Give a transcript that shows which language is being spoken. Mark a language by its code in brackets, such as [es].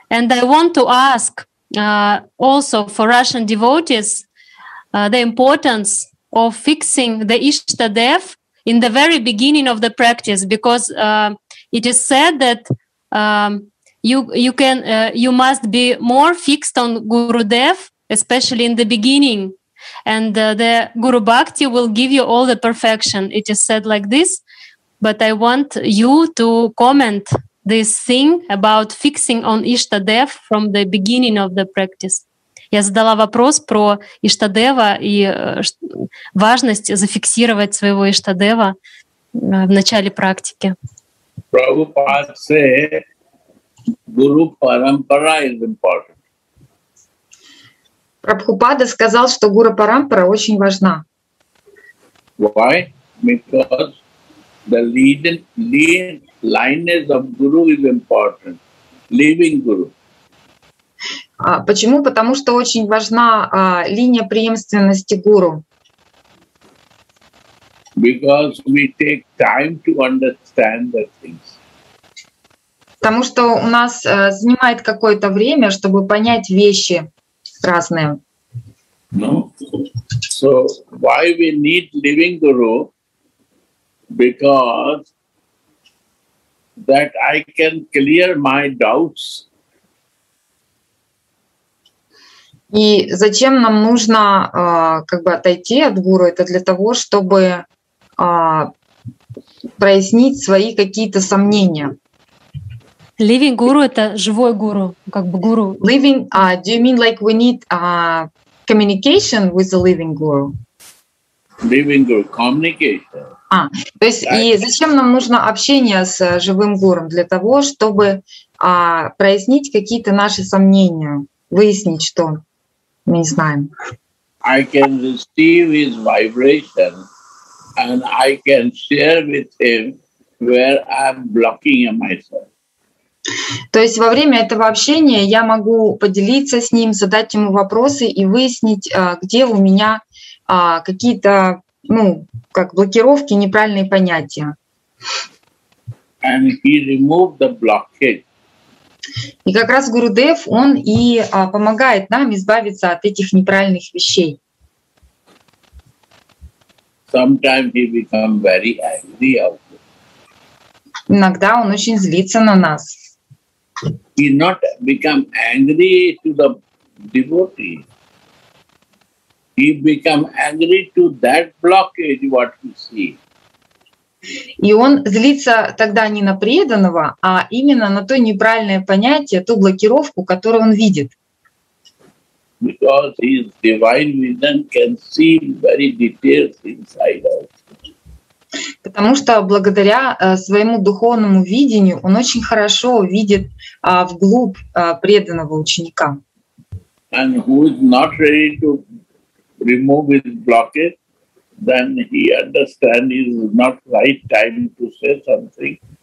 [en] And I want to ask also for Russian devotees the importance of fixing the Ishtadev in the very beginning of the practice, because it is said that you must be more fixed on Gurudev, especially in the beginning, and the Guru Bhakti will give you all the perfection. It is said like this, but I want you to comment this thing about fixing on Ishtadev from the beginning of the practice. [ru] Я задала вопрос про Иштадева и важность зафиксировать своего Иштадева в начале практики. [en] Prabhupada said, Guru Parampara is important. [ru] Прабхупада сказал, что Гуру Парампара очень важна. [en] Why? Because the leading lineage of Guru is important. Living Guru. [ru] Почему? Потому что очень важна линия преемственности гуру. [en] Because we take time to understand the things. [ru] Потому что у нас занимает какое-то время, чтобы понять вещи разные. [en] No. So why we need living guru? Because that I can clear my doubts. [ru] И зачем нам нужно как бы отойти от гуру? Это для того, чтобы прояснить свои какие-то сомнения. [en] Living guru [ru] — это живой гуру, как бы гуру. [en] Living, do you mean like we need communication with the living guru? Living guru, communication. [ru] То есть и зачем нам нужно общение с живым гуру? Для того, чтобы прояснить какие-то наши сомнения, выяснить, что мы не знаем. [en] I can receive his vibration and I can share with him where I'm blocking myself. [ru] То есть во время этого общения я могу поделиться с ним, задать ему вопросы и выяснить, где у меня какие-то, ну, как блокировки, неправильные понятия. [en] And he removed the blockage. [ru] И как раз Гурудев, он и помогает нам избавиться от этих неправильных вещей. [en] Sometimes he become very angry also. [ru] Иногда он очень злится на нас. [en] He not become angry to the devotee. He become angry to that blockage what he see. [ru] И он злится тогда не на преданного, а именно на то неправильное понятие, ту блокировку, которую он видит. [en] Because his divine vision can see very details inside us. [ru] Потому что благодаря своему духовному видению он очень хорошо видит вглубь преданного ученика. [en] And who is not ready to remove his blockage? Then he understand is not right time to say something.